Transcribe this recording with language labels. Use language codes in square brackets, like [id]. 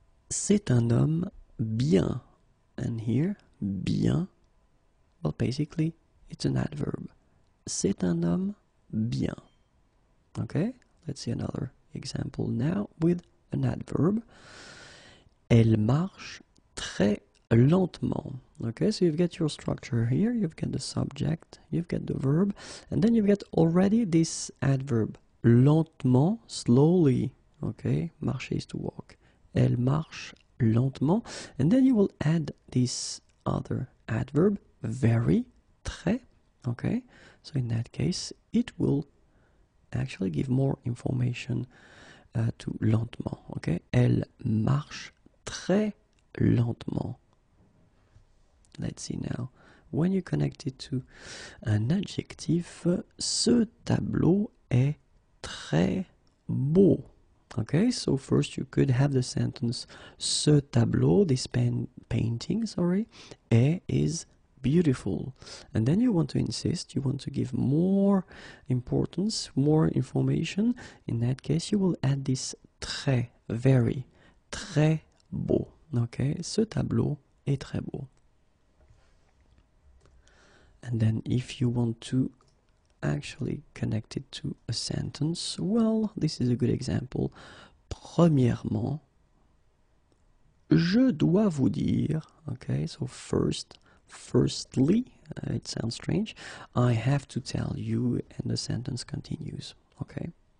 [fr] C'est un homme bien. [en] And here, bien, well, basically, it's an adverb. [fr] C'est un homme bien. [en] Okay, let's see another example now with an adverb. [fr] Elle marche très lentement. [en] Okay, so you've got your structure here. You've got the subject, you've got the verb, and then you've got already this adverb. Lentement, slowly. Okay, marcher is to walk. [fr] Elle marche lentement. [en] And then you will add this other adverb, very, très, okay? So in that case, it will actually give more information to lentement, okay? [fr] Elle marche très lentement. [en] Let's see now. When you connect it to an adjective, [fr] ce tableau est très beau. [en] Okay, so first you could have the sentence [fr] ce tableau, [en] this painting, sorry, is beautiful. And then you want to insist, you want to give more importance, more information. In that case, you will add this très, very, [fr] très beau. Okay, ce tableau est très beau. [en] And then if you want to actually connected to a sentence, well, this is a good example. [fr] Premièrement, je dois vous dire, [en] okay, so firstly, it sounds strange, I have to tell you, and the sentence continues, okay.